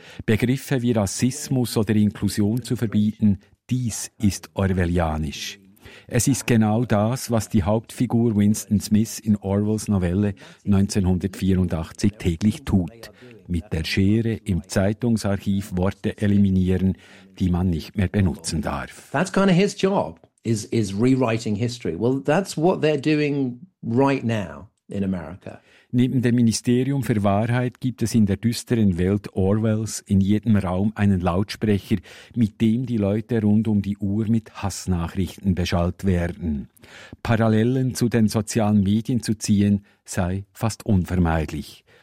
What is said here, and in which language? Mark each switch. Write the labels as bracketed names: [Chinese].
[German] Begriffe wie Rassismus oder Inklusion zu verbieten, dies ist orwellianisch. Es ist genau das, was die Hauptfigur Winston Smith in Orwells Novelle 1984 täglich tut. Mit der Schere im Zeitungsarchiv Worte eliminieren, die man nicht mehr benutzen darf. [English] That's kind of his job, is rewriting history. Well, that's what they're doing right now in America. [German] Neben dem Ministerium für Wahrheit gibt es in der düsteren Welt Orwells in jedem Raum einen Lautsprecher, mit dem die Leute rund um die Uhr mit Hassnachrichten beschallt werden. Parallelen zu den sozialen Medien zu ziehen, sei fast unvermeidlich.